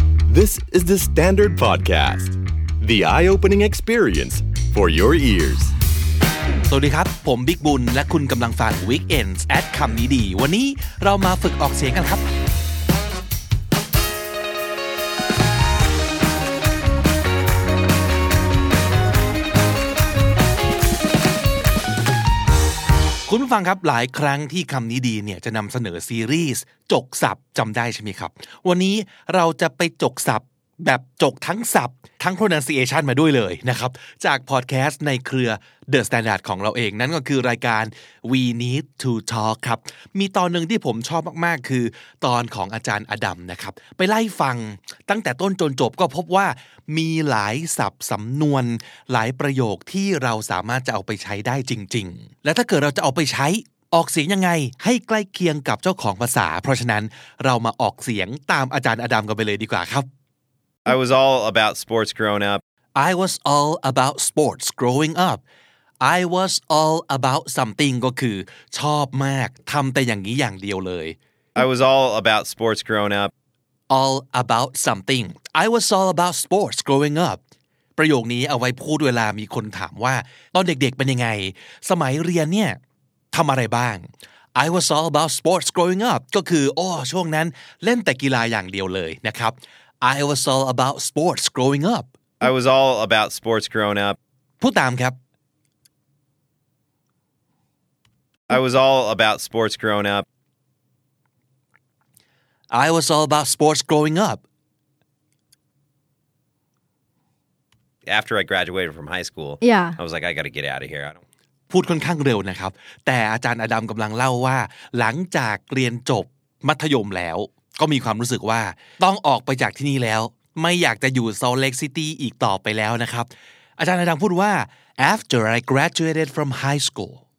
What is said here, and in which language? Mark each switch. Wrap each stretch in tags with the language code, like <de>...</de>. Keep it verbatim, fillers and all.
<en>This is the Standard Podcast, the eye-opening experience for your ears.</en> <th>สวัสดีครับผมบิ๊กบุญและคุณกำลังฟัง Weekends at คำนี้ดีวันนี้เรามาฝึกออกเสียงกันครับคุณผู้ฟังครับหลายครั้งที่คำนี้ดีเนี่ยจะนำเสนอซีรีส์จกศัพท์จำได้ใช่ไหมครับวันนี้เราจะไปจกศัพท์แบบจกทั้งศัพท์ทั้ง pronunciation มาด้วยเลยนะครับจากพอดแคสต์ในเครือ The Standard ของเราเองนั่นก็คือรายการ We Need to Talk ครับมีตอนหนึ่งที่ผมชอบมากๆคือตอนของอาจารย์อดัมนะครับไปไล่ฟัง ตั้งแต่ต้นจนจบก็พบว่ามีหลายศัพท์สำนวนหลายประโยคที่เราสามารถจะเอาไปใช้ได้จริงๆและถ้าเกิดเราจะเอาไปใช้ออกเสียงยังไงให้ใกล้เคียงกับเจ้าของภาษาเพราะฉะนั้นเรามาออกเสียงตามอาจารย์อดัมกันไปเลยดีกว่าครับ</th> <en>I was all about sports growing up. I was all about sports growing up. I was all about something</en> <th>ก็คือชอบมากทำแต่อย่างนี้อย่างเดียวเลย</th> <en>I was all about sports growing up. All about something. I was all about sports growing up.</en> <th>ประโยคนี้เอาไว้พูดเวลามีคนถามว่าตอนเด็กๆเป็นยังไงสมัยเรียนเนี่ยทำอะไรบ้าง</th> <en>I was all about sports growing up</en> <th>ก็คือโอ้ช่วงนั้นเล่นแต่กีฬาอย่างเดียวเลยนะครับI was all about sports growing up.</th> <en>I was all about sports growing up.</en> <th>พูดตามครับ</th> <en>I was all about sports growing up. I was all about sports growing up. After I graduated from high school, yeah. I was like, I got to get out of here. I don't.</en> <th>พูดค่อนข้างเร็วนะครับแต่อาจารย์อดัมกำลังเล่าว่าหลังจากเรียนจบมัธยมแล้วก็มีความรู้สึกว่าต้องออกไปจากที่นี่แล้วไม่อยากจะอยู่ซอลต์เลคซิตี้อีกต่อไปแล้วนะครับอาจารย์อดัมพูดว่า</th> <en>after I graduated from high school</en>